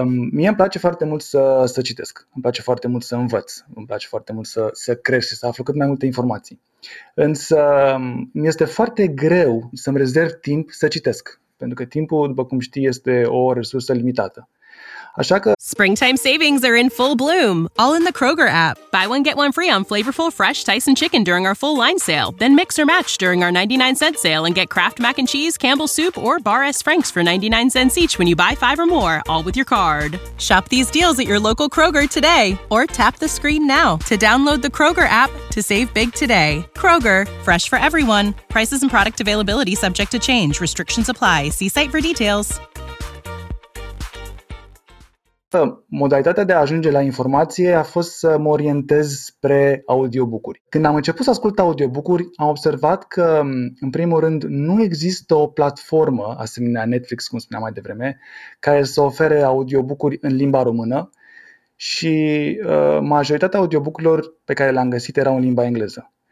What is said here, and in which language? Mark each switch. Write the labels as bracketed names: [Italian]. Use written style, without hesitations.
[Romanian] Mie îmi place foarte mult să citesc, îmi place foarte mult să învăț, îmi place foarte mult să cresc și să aflu cât mai multe informații. Însă mi-este foarte greu să-mi rezerv timp să citesc, pentru că timpul, după cum știi, este o resursă limitată. Așa că [English] springtime savings are in full bloom, all in the Kroger app. Buy one get one free on flavorful fresh Tyson chicken during our full line sale. Then mix or match during our 99 cent sale and get Kraft mac and cheese, Campbell's soup or Bar S Franks for 99 cents each when you buy 5 or more, all with your card. Shop these deals at your local Kroger today or tap the screen now to download the Kroger app to save big today. Kroger, fresh for everyone. Prices and product availability subject to change. Restrictions apply. See site for details. [Romanian] Modalitatea de a ajunge la informație a fost să mă orientez spre audiobook-uri. Când am început să ascult audiobook-uri, am observat că, în primul rând, nu există o platformă, asemenea Netflix, cum spuneam mai devreme, care să ofere audiobook-uri în limba română și majoritatea audiobook-urilor pe care le-am găsit erau în limba engleză.